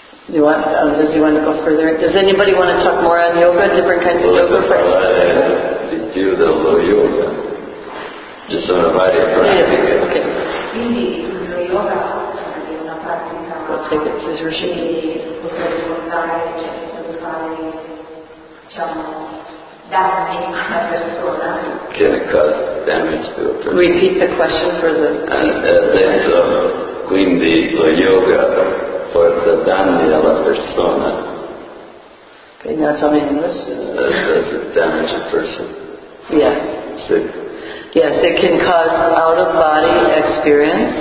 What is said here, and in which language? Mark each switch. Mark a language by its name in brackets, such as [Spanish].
[English] Does anybody want to talk more on yoga, different kinds of yoga practices? [Italian] più dello yoga. Ci sono varie pratiche. Quindi lo yoga è una pratica che potrebbe portare, cioè fare, diciamo, danni alla persona. [English] Can it cause damage to a person? Repeat the question for the [Italian] adesso, quindi lo yoga porta danni alla persona. [English] Okay, now tell me in English. Does it damage a person? Yes. Sick. Yes, it can cause out-of-body experience.